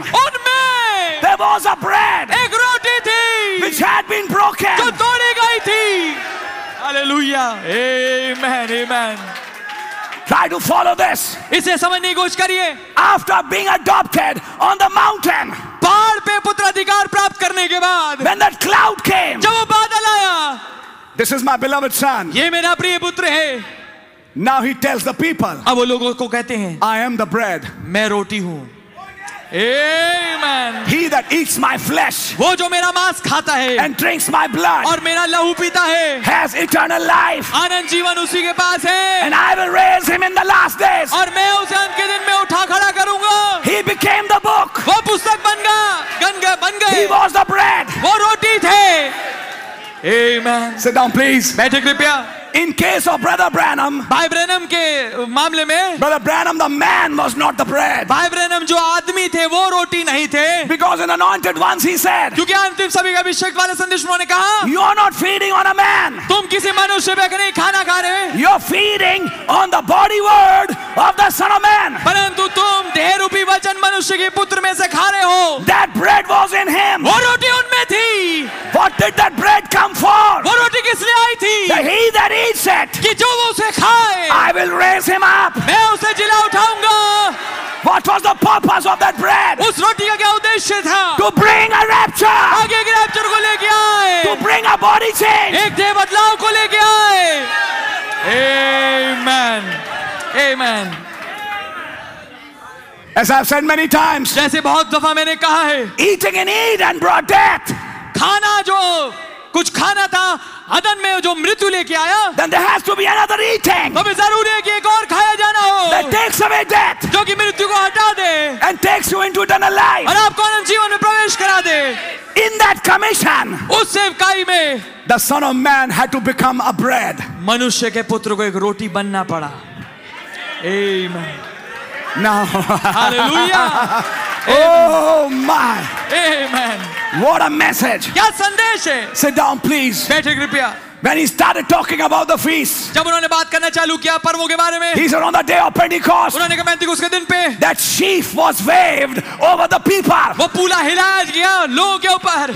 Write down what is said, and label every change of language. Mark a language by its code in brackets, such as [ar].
[hi] उनमें. [en] There was a bread. [hi] एक रोटी थी. [en] Which had been broken. [hi] जो तोड़ी गई थी. [en] Hallelujah. Amen. Amen. Try to follow this. [hi] इसे समझने की कोशिश करिए. [en] After being adopted on the mountain. [hi] पहाड़ पे पुत्र अधिकार प्राप्त करने के बाद. [en] When that cloud came. [hi] जब वो बादल आया. [en] This is my beloved son. [hi] ये मेरा प्रिय पुत्र है. [en] Now he tells the people. [hi] अब वो लोगों को कहते हैं. [en] I am the bread. [hi] मैं रोटी हूँ. [en] Amen. He that eats my flesh. [hi] वो जो मेरा मांस खाता है. [en] And drinks my blood. [hi] और मेरा लहू पीता है. [en] Has eternal life. [hi] आनंद जीवन उसी के पास है. [en] And I will raise him in the last days. [hi] और मैं उसे अंत के दिन में उठा खड़ा करूँगा. [en] He became the book. [hi] वो पुस्तक बन गया. बन गए. [en] He was the bread. [hi] वो रोटी थे. [en] Amen. Sit down, please. [hi] बैठे कृपया. [en] In case of Brother Branham, [hi] भाई ब्रैनम के मामले में, [en] Brother Branham, the man was not the bread. [hi] भाई ब्रैनम जो आदमी थे, वो रोटी नहीं थे. [en] Because in anointed ones, he said. [hi] क्योंकि अंतिम सभी का अभिषेक वाले संदेश में उन्होंने कहा, [en] You are not feeding on a man. [hi] तुम किसी मनुष्य पे नहीं खाना खा रहे. [en] You are feeding on the body word of the Son of Man. [hi] परंतु तुम देह रूपी वचन मनुष्य के पुत्र में से खा रहे हो. [en] That bread was in him. [hi] वो रोटी उनमें थी. [en] What did that bread come for? [hi] वो रोटी किस लिए आई थी? [en] That he that eats it. [hi] कि जो वो उसे खाए. [en] I will raise him up. [hi] मैं उसे जिला उठाऊंगा. [en] What was the purpose of that bread? [hi] उस रोटी का क्या उद्देश्य था? [en] To bring a rapture. [hi] आगे के रैप्चर को लेके आए. [en] To bring a body change. [hi] एक देह बदलाव को लेके आए. [en] Amen. Amen. As I've said many times. [hi] जैसे बहुत दफा मैंने कहा है. [en] Eating in Eden brought death. [hi] खाना जो कुछ खाना था अदन में जो मृत्यु लेके आया. [en] Then there has to be another eating. [hi] तो भी जरूरी है कि एक और खाया जाना हो. [en] That takes away death. [hi] जो कि मृत्यु को हटा दे. [en] And takes you into eternal life. [hi] और आपको अनंत जीवन में प्रवेश करा दे. [en] In that commission. [hi] उस सेवकाई में. [en] The Son of Man had to become a bread. [hi] मनुष्य के पुत्र को एक रोटी बनना पड़ा. [en] Amen. Now. Hallelujah. Oh my. Amen. What a message. [hi] क्या संदेश है? [en] Sit down, please. [hi] बैठे कृपया. [en] When he started talking about the feast, [hi] जब उन्होंने बात करना चालू किया पर्वों के बारे में, [en] he said on the day of Pentecost, [hi] उन्होंने कहा पेंटिकॉस्ट के दिन पे, [en] that sheaf was waved over the people. [hi] वो पूला हिलाया गया लोगों के ऊपर.